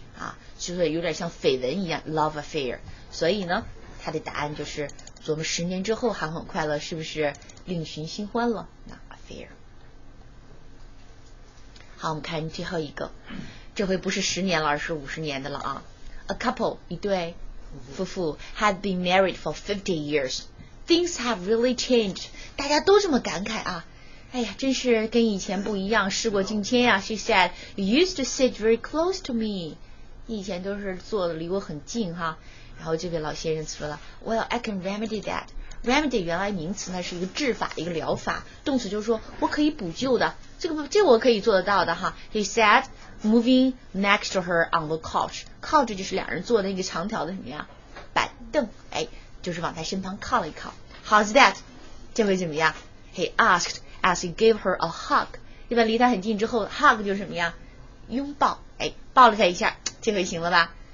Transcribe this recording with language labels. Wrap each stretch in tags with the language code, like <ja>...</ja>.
<zh>啊，就是有点像绯闻一样</zh> <en>love affair，</en> <zh>所以呢他的答案就是琢磨10年之后还很快乐，是不是另寻新欢了，那 affair。好，我们看最后一个，这回不是10年了，而是50年的了啊。</zh> <en>A couple,</en> <zh>一对夫妇</zh> <en>had been married for 50 years. Things have really changed.</en> <zh>大家都这么感慨啊。哎呀，真是跟以前不一样，事过境迁啊。</zh> <en>She said, you used to sit very close to me.</en> <zh>以前都是坐的离我很近哈。然后这位老先生说了</zh> <en>Well, I can remedy that.</en> <zh>Remedy 原来名词呢是一个治法一个疗法，动词就是说我可以补救的，这个我可以做得到的哈。</zh> <en>He said, moving next to her on the couch.</en> <zh>Couch 就是两人坐的那个长条的什么呀，板凳，哎，就是往他身旁靠了一靠。</zh> <en>How's that?</en> <zh>这位怎么样？</zh> <en>He asked as he gave her a hug.</en> <zh>一般离他很近之后 hug 就是什么呀，拥抱，哎，抱了他一下，这回行了吧。</zh>